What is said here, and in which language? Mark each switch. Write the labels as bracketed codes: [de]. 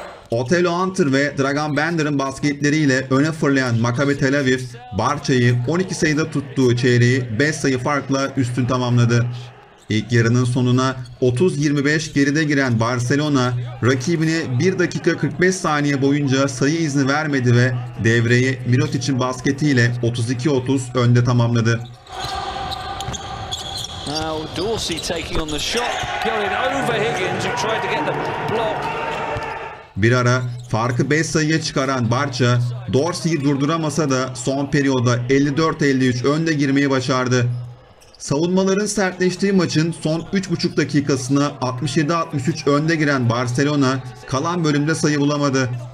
[tr] Otello Hunter ve Dragan Bender'ın basketleriyle öne fırlayan Maccabi Tel Aviv, Barça'yı 12 sayıda tuttuğu çeyreği 5 sayı farkla üstün tamamladı. İlk yarının sonuna 30-25 geride giren Barcelona, rakibine 1 dakika 45 saniye boyunca sayı izni vermedi ve devreyi Mirotic'in basketiyle 32-30 önde tamamladı. [en] Now Dorsey taking on the shot, going over Higgins who tried to get the block. [tr] Bir ara farkı 5 sayıya çıkaran Barça, Dorsey'i durduramasa da son periyoda 54-53 önde girmeyi başardı. Savunmaların sertleştiği maçın son 3,5 dakikasını 67-63 önde giren Barcelona, kalan bölümde sayı bulamadı.